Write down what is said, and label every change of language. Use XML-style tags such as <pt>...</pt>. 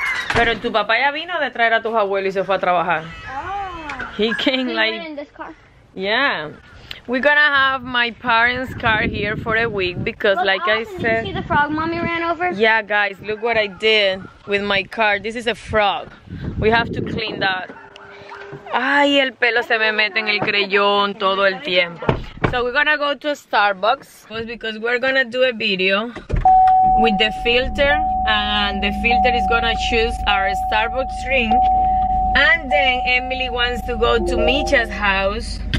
<es>Pero tu papá ya vino de traer a tus abuelos y se fue a trabajar.</es> <en>He came so like. You went in this car? Yeah. We're gonna have my parents' car here for a week because, look, like awesome. I said, did you see the frog mommy ran over? Yeah, guys, look what I did with my car. This is a frog. We have to clean that.</en> <es>Ay, el pelo se me mete en el creyón todo el tiempo.</es> <en>So we're gonna go to a Starbucks because we're gonna do a video with the filter, and the filter is gonna choose our Starbucks drink. And then Emily wants to go to Misha's house</en>